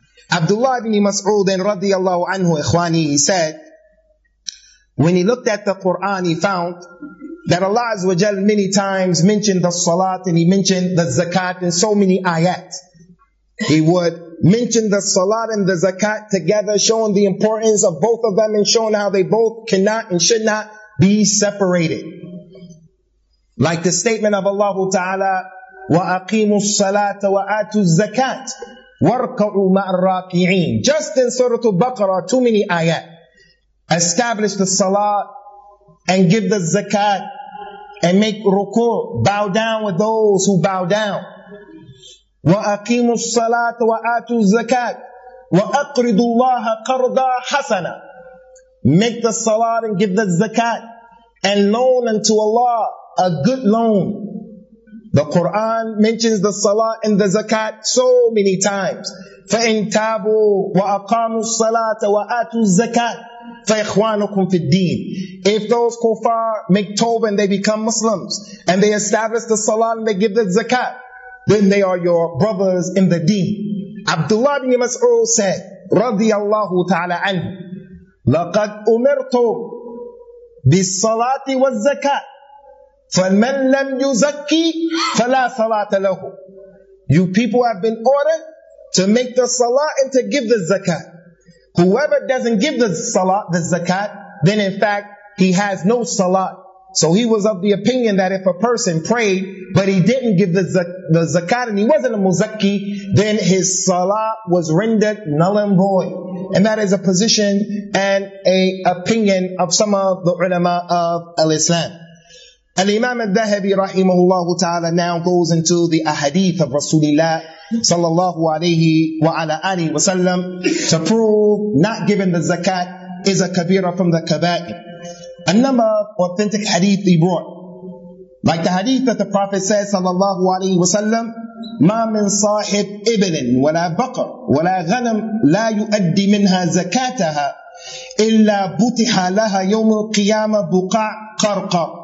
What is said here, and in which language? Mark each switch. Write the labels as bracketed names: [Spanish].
[English] Abdullah ibn Mas'ud radiyallahu anhu, ikhwani, he said, when he looked at the Quran, he found that Allah Azza wa Jal many times mentioned the salat and he mentioned the zakat in so many ayat. He would mention the salat and the zakat together, showing the importance of both of them and showing how they both cannot and should not be separated. Like the statement of Allah Ta'ala, [Arabic] وَأَقِيمُوا الصَّلَاةَ وَآتُوا الزَّكَاةَ وَارْكَعُوا مَعَ الرَّاكِعِينَ. [English] Just in Surah Al-Baqarah, too many ayat. Establish the salat and give the zakat and make ruku', bow down with those who bow down. [Arabic] وَأَقِيمُوا الصَّلَاةَ وَآتُوا الزَّكَاةَ وَأَقْرِضُوا اللَّهَ قَرْضًا حَسَنًا. [English] Make the salat and give the zakat and loan unto Allah a good loan. The Quran mentions the salat and the zakat so many times. [Arabic] فَإِن تَابُوا وَأَقَامُوا الصَّلَاةَ وَآتُوا الزَّكَاةَ فَإِخْوَانُكُمْ فِي الدِّينِ. [English] If those kuffar make tawbah and they become Muslims and they establish the salat and they give the zakat, then they are your brothers in the deen. Abdullah ibn Mas'ud said, radiyallahu ta'ala anhu, [Arabic] لَقَدْ أُمِرْتُ بِالصَّلَاةِ وَالزَّكَاةِ فَمَنْ لَمْ يُزَكِّي فَلَا صَلَاةَ لَهُ. [English] You people have been ordered to make the salat and to give the zakat. Whoever doesn't give the salat, the zakat, then in fact, he has no salat. So he was of the opinion that if a person prayed, but he didn't give the zakat and he wasn't a muzakki, then his salat was rendered null and void. And that is a position and a opinion of some of the ulama of al-Islam. Al-Imam al-Dhahabi rahimahullahu ta'ala now goes into the ahadith of Rasulullah sallallahu alayhi wa ala alihi wa sallam to prove not giving the zakat is a kabira from the kaba'ir. A number of authentic hadith he brought. Like the hadith that the Prophet says sallallahu alayhi wa sallam, [Arabic] مَا مِن صَاحِبْ إِبْلٍ وَلَا بَقَرْ وَلَا غَنَمْ لَا يُؤَدِّ مِنْهَا زَكَاتَهَا إِلَّا بُتِحَ لَهَا يَوْمُ الْقِيَامَةِ بُقَعْ قَرْقَ